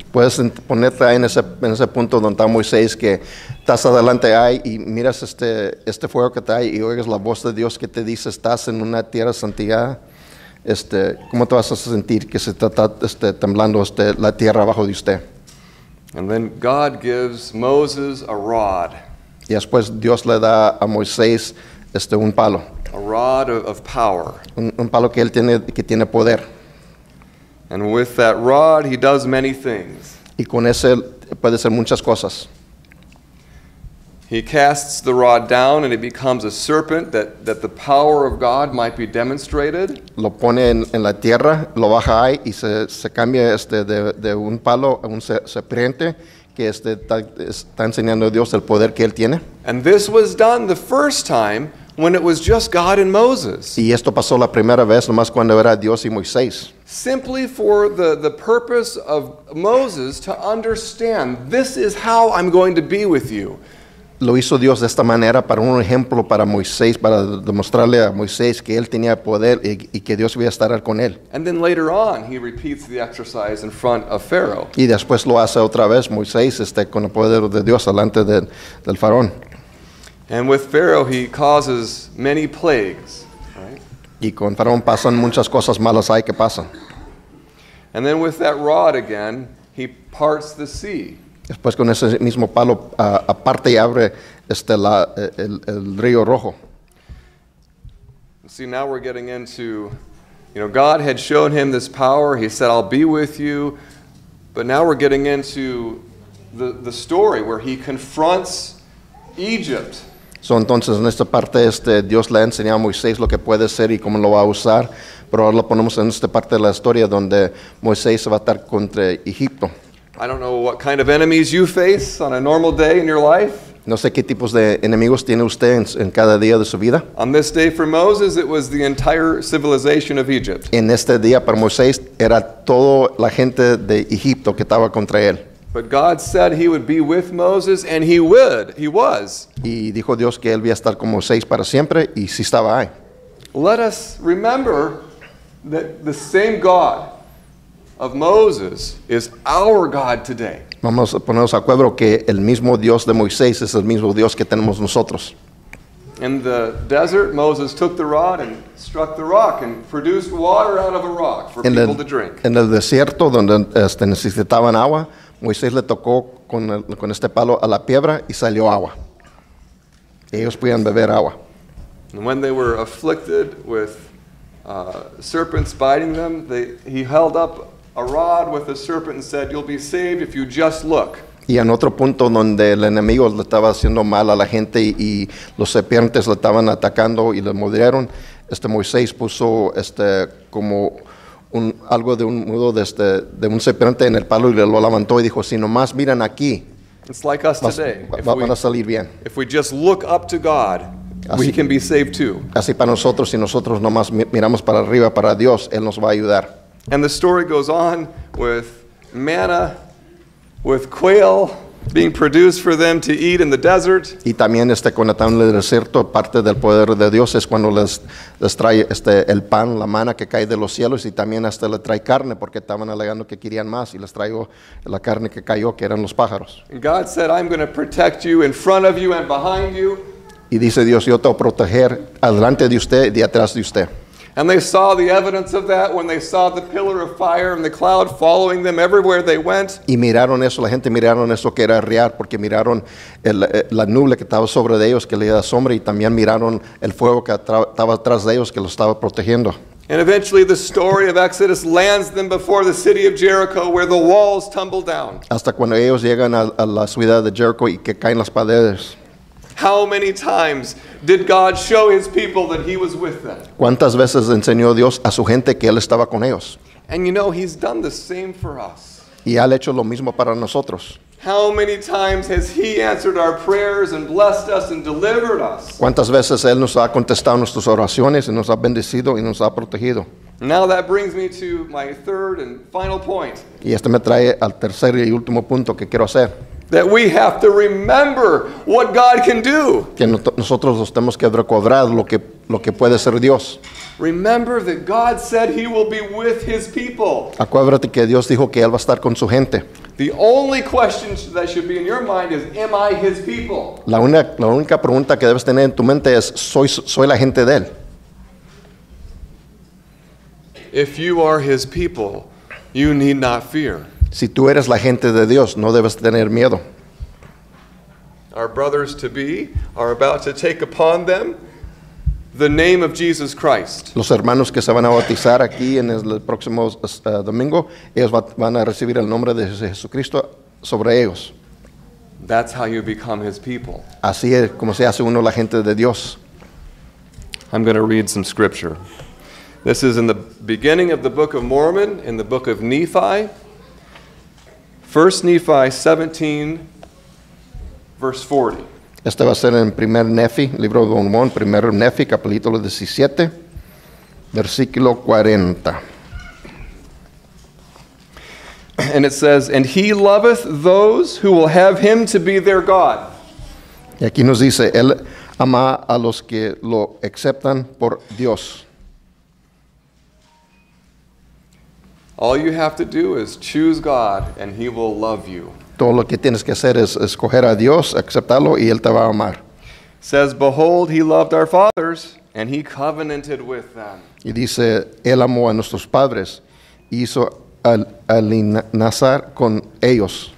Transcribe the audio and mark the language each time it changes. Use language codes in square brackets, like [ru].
[es] Puedes ponerte ahí en ese punto donde está Moisés, que estás adelante ahí y miras este fuego que está ahí y oyes la voz de Dios que te dice, estás en una tierra santa. ¿Cómo te vas a sentir que se está temblando la tierra abajo de usted? [en] And then God gives Moses a rod. [es] Y después Dios le da a Moisés un palo. [en] A rod of power. [es] Un palo que él tiene, que tiene poder. [en] And with that rod, he does many things. [es] Y con ese puede hacer muchas cosas. [en] He casts the rod down and it becomes a serpent that the power of God might be demonstrated. [es] Lo pone en la tierra, lo baja ahí y se cambia de un palo a un serpiente que está enseñando a Dios el poder que él tiene. [en] And this was done the first time when it was just God and Moses. [es] Y esto pasó la primera vez nomás cuando era Dios y Moisés. [en] Simply for the purpose of Moses to understand, this is how I'm going to be with you. [es] Lo hizo Dios de esta manera para un ejemplo para Moisés, para demostrarle a Moisés que él tenía poder y que Dios iba a estar con él. [en] And then later on, he repeats the exercise in front of Pharaoh. [es] Y después lo hace otra vez Moisés con el poder de Dios delante del faraón. [en] And with Pharaoh, he causes many plagues, right? [es] Y con faraón pasan muchas cosas malas ahí que pasan. [en] And then with that rod again, he parts the sea. [es] Después con ese mismo palo aparte y abre el río Rojo. [en] See, now we're getting into, you know, God had shown him this power. He said, "I'll be with you." But now we're getting into the story where he confronts Egypt. So [es] entonces en esta parte Dios le ha enseñado a Moisés lo que puede ser y cómo lo va a usar. Pero ahora lo ponemos en esta parte de la historia donde Moisés se va a estar contra Egipto. [en] I don't know what kind of enemies you face on a normal day in your life. [es] No sé qué tipos de enemigos tiene usted en cada día de su vida. [en] On this day for Moses, it was the entire civilization of Egypt. [es] En este día para Moisés era toda la gente de Egipto que estaba contra él. [en] But God said he would be with Moses, and he would. He was. [es] Y dijo Dios que él iba a estar con Moisés para siempre, y sí estaba ahí. [en] Let us remember that the same God of Moses is our God today. [es] Vamos a ponernos a acuerdo que el mismo Dios de Moisés es el mismo Dios que tenemos nosotros. [en] In the desert, Moses took the rod and struck the rock and produced water out of a rock for people to drink. [es] En el desierto donde necesitaban agua, Moisés le tocó con este palo a la piedra y salió agua. Ellos podían beber agua. [en] And when they were afflicted with serpents biting them, he held up a rod with a serpent and said, "You'll be saved if you just look." [es] Y en otro punto donde el enemigo le estaba haciendo mal a la gente y los serpientes le estaban atacando y le mordieron, Moisés puso como algo de un mudo de un serpiente en el palo y lo levantó y dijo, "Si nomás miran aquí, [en] it's like us today. [es] Van a salir bien. [en] If we just look up to God, [es] así, [en] we can be saved too." [es] Así para nosotros, si nosotros nomás miramos para arriba, para Dios, Él nos va a ayudar. [en] And the story goes on with manna, with quail being produced for them to eat in the desert. [es] Y también cuando están en el desierto, parte del poder de Dios es cuando les trae el pan, la manna que cae de los cielos, y también le trae carne, porque estaban alegando que querían más, y les traigo la carne que cayó, que eran los pájaros. [en] And God said, "I'm going to protect you in front of you and behind you." [es] Y dice Dios, yo te voy a proteger adelante de usted y de atrás de usted. [en] And they saw the evidence of that when they saw the pillar of fire and the cloud following them everywhere they went. [es] Y miraron eso, la gente miraron eso que era real, porque miraron la nube que estaba sobre de ellos, que le da sombra, y también miraron el fuego que estaba atrás de ellos, que los estaba protegiendo. [en] And eventually the story of Exodus lands them before the city of Jericho, where the walls tumble down. [es] Hasta cuando ellos llegan a la ciudad de Jericho y que caen las paredes. [en] How many times did God show his people that he was with them? [es] ¿Cuántas veces enseñó Dios a su gente que él estaba con ellos? [en] And you know, he's done the same for us. [es] Y ha hecho lo mismo para nosotros. [en] How many times has he answered our prayers and blessed us and delivered us? [es] ¿Cuántas veces él nos ha contestado nuestras oraciones y nos ha bendecido y nos ha protegido? [en] Now that brings me to my third and final point. [es] Y me trae al tercer y último punto que quiero hacer. [en] That we have to remember what God can do. [es] Que nosotros nos tenemos que recordar lo que puede ser Dios. [en] Remember that God said he will be with his people. [es] Acuérdate que Dios dijo que él va a estar con su gente. [en] The only question that should be in your mind is, am I his people? [es] La única pregunta que debes tener en tu mente es, ¿soy la gente de él? [en] If you are his people, you need not fear. [es] Si tú eres la gente de Dios, no debes tener miedo. [en] Our brothers to be are about to take upon them the name of Jesus Christ. [es] Los hermanos que se van a bautizar aquí en el próximo domingo, ellos van a recibir el nombre de Jesucristo sobre ellos. [en] That's how you become his people. [es] Así es como se hace uno la gente de Dios. [en] I'm going to read some scripture. This is in the beginning of the Book of Mormon, in the Book of Nephi. 1 Nephi 17, verse 40. [es] Este va a ser en primer Nefi, libro de Mormón, primer Nefi, capítulo 17, versículo 40. [en] And it says, "And he loveth those who will have him to be their God." [es] Y aquí nos dice, él ama a los que lo aceptan por Dios. [en] All you have to do is choose God and he will love you. [es] Todo lo que tienes que hacer es escoger a Dios, aceptarlo y él te va a amar. [en] Says, "Behold, he loved our fathers and he covenanted with them." [es] Y dice, él amó a nuestros padres, hizo alianzar con ellos.